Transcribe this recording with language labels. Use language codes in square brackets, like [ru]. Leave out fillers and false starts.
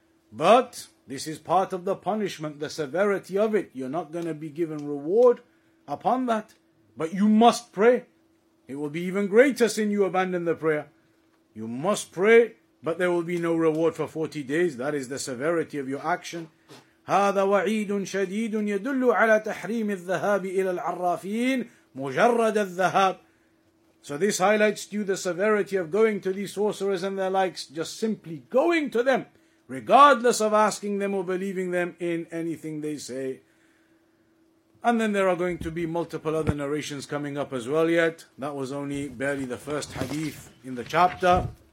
[en] But this is part of the punishment, the severity of it. You're not going to be given reward upon that. But you must pray. It will be even greater sin you abandon the prayer. You must pray, but there will be no reward for 40 days. That is the severity of your action. [ar] هذا وعيد شديد يدل على تحريم الذهاب إلى العرافين مجرد الذهاب. [en] So this highlights to you the severity of going to these sorcerers and their likes, just simply going to them, regardless of asking them or believing them in anything they say. And then there are going to be multiple other narrations coming up as well yet. That was only barely the first hadith in the chapter.